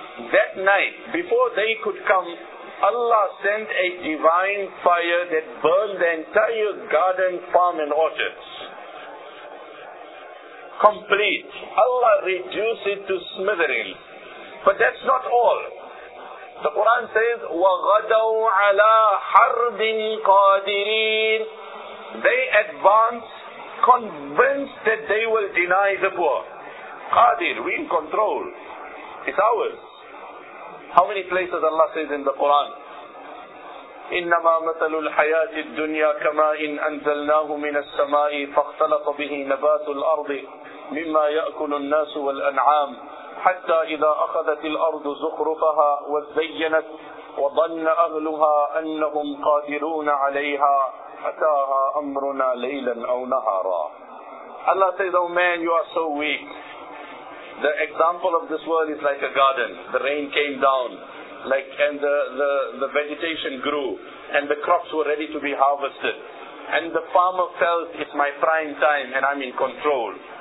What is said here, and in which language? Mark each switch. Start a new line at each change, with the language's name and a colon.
English: That night, before they could come, Allah sent a divine fire that burned the entire garden, farm and orchards. Complete. Allah reduced it to smithereens. But that's not all. The Quran says,
Arabic: وَغَدَوْا عَلَىٰ حَرْبٍ قَادِرِينَ.
English: They advance, convinced that they will deny the poor. Qadir, we in control. It's ours. How many places Allah says in the Quran?
Arabic: إِنَّمَا مَثَلُ الْحَيَاةِ الدُّنْيَا كَمَا إِنْ أَنْزَلْنَاهُ مِنَ السَّمَاءِ فَاخْتَلَطَ بِهِ نَبَاتُ الْأَرْضِ مِمَّا يَأْكُلُ النَّاسُ وَالْأَنْعَامُ حتى إذا أخذت الأرض زخرفها وزينت وظن أهلها أنهم قادرون عليها أتاها أمرنا ليلا أو نهارا.
English: Allah says, oh man, you are so weak. The example of this world is like a garden. The rain came down, and the vegetation grew, and the crops were ready to be harvested, and the farmer felt it's my prime time and I'm in control.